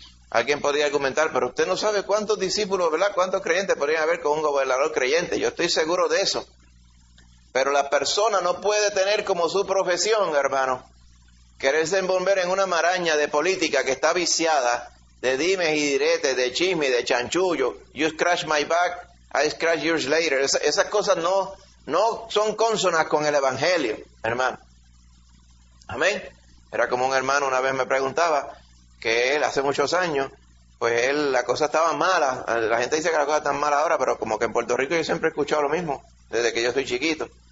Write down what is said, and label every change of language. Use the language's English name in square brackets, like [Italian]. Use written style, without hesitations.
[Spanish] Alguien podría argumentar, pero usted no sabe cuántos discípulos, ¿verdad? ¿Cuántos creyentes podrían haber con un gobernador creyente? Yo estoy seguro de eso. Pero la persona no puede tener como su profesión, hermano, quererse envolver en una maraña de política que está viciada de dimes y diretes, de chisme, de chanchullo. [English] You scratch my back, I scratch yours later. [Spanish] Esas cosas no son cónsonas con el Evangelio, hermano. Amén. Era como un hermano una vez me preguntaba, que él hace muchos años, pues él, la cosa estaba mala. La gente dice que la cosa está mala ahora, pero como que en Puerto Rico yo siempre he escuchado lo mismo, desde que yo soy chiquito.